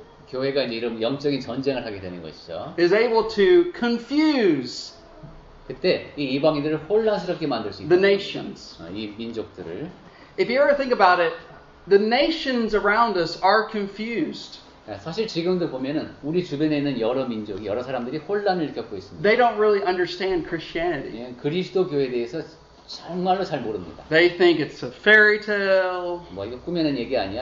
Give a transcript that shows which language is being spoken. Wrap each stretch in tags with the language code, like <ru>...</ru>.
<ko>교회가 이런 영적인 전쟁을 하게 되는 것이죠.</ko> <en>Is able to confuse.</en> <ko>그때 이 이방인들을 혼란스럽게 만들 수 있는.</ko> <en>The nations.</en> <ko>이 민족들을.</ko> <en>If you ever think about it, the nations around us are confused.</en> <ko>사실 지금도 보면은 우리 주변에 있는 여러 민족, 여러 사람들이 혼란을 겪고 있습니다.</ko> <en>They don't really understand Christianity.</en> <ko>그리스도 교회에 대해서 정말로 잘 모릅니다.</ko> <en>They think it's a fairy tale.</en> <ko>뭐 이거 꾸며낸 얘기 아니야?</ko>